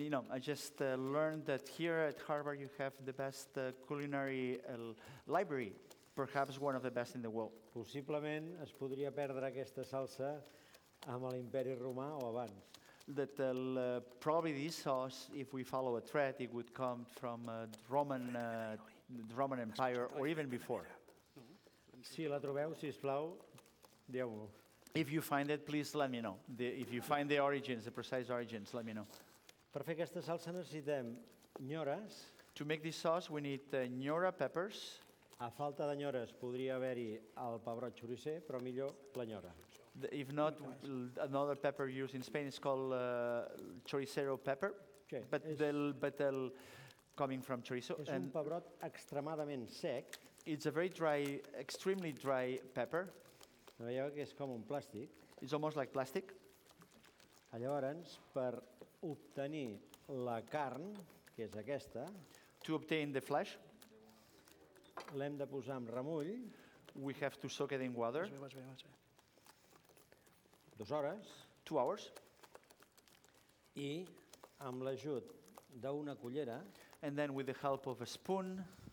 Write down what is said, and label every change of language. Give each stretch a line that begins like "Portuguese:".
English: I just learned that here at Harvard you have the best culinary library, perhaps one of the best in the world.
Catalan: Possiblement es podria perdre aquesta salsa amb l'imperi romà o abans.
English: That probably this sauce, if we follow a thread, it would come from the Roman Empire or even before.
Catalan: Si la trobeu, sisplau, dieu-m'ho.
English: If you find it, please let me know. If you find the origins, the precise origins, let me know.
Catalan: Per fer aquesta salsa necessitem nyores.
English: To make this sauce, we need nyora peppers.
Catalan: A falta de nyores, podria haver-hi el pebrot xoricer, però millor la nyora.
English: If not, another pepper used in Spain is called choricero pepper. Okay. But they'll coming from chorizo.
Catalan: És un pebrot extremadament sec.
English: It's a very dry, extremely dry pepper.
Catalan: Veieu que és com un plàstic.
English: It's almost like plastic.
Catalan: Llavors, per obtenir la carn, que és aquesta,
English: to obtain the flesh,
Catalan: l'hem de posar en remull.
English: We have to soak it in water.
Catalan: Dos hores.
English: 2 hours.
Catalan: I amb l'ajut d'una cullera.
English: And then with the help of a spoon.